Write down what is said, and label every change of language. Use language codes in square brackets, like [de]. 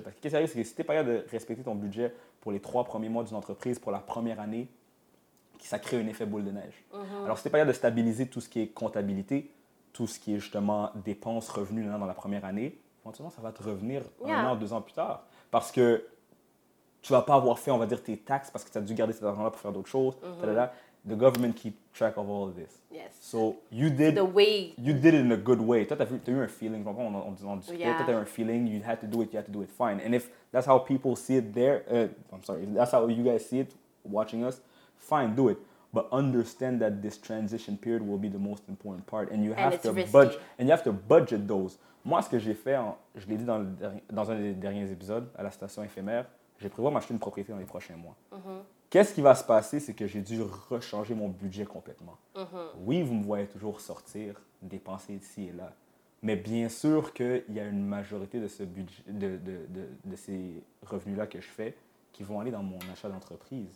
[fr] Parce que qu'est-ce qui arrive, c'est que si t'es pas capable de respecter ton budget pour les 3 premiers mois d'une entreprise, pour la première année, ça crée un effet boule de neige. Mm-hmm. Alors, c'était pas grave de stabiliser tout ce qui est comptabilité, tout ce qui est justement dépenses, revenus dans la première année. Éventuellement, ça va te revenir yeah. un an, 2 ans plus tard. Parce que tu vas pas avoir fait, on va dire, tes taxes parce que tu as dû garder cet argent-là pour faire d'autres choses. Mm-hmm. [en] The government keeps track of all of this. Yes. So, you did it in a good way. [fr] Toi, t'as eu un feeling. [en] Yeah. [fr] Toi, t'as eu un feeling. [en] You had to do it fine. And if that's how people see it there, if that's how you guys see it watching us, fine, do it, but understand that this transition period will be the most important part, and you have and to budget. And you have to budget those. [fr] Moi, ce que j'ai fait, je l'ai dit dans un des derniers épisodes à la station éphémère, j'ai prévu de m'acheter une propriété dans les prochains mois. Mm-hmm. Qu'est-ce qui va se passer, c'est que j'ai dû rechanger mon budget complètement. Mm-hmm. Oui, vous me voyez toujours sortir, dépenser ici et là, mais bien sûr que il y a une majorité de ce budget, de ces revenus là que je fais, qui vont aller dans mon achat d'entreprise.